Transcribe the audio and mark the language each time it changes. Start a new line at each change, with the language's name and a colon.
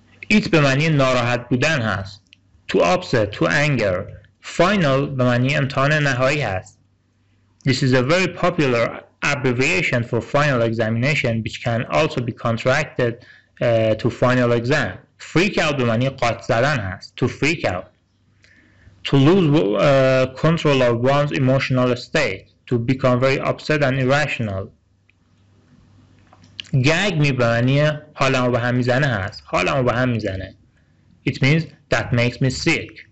Persian: It به معنی ناراحت بودن هست.
English: To upset, to anger.
Persian: Final به معنی امتحان نهایی هست.
English: This is a very popular abbreviation for final examination which can also be contracted to final exam.
Persian: Freak out به معنی قاطع زدن هست.
English: To freak out. To lose control of one's emotional state. To become very upset and irrational.
Persian: گگ می به معنی حالم رو به هم میزنه هست. حالم رو به هم میزنه.
English: It means that makes me sick.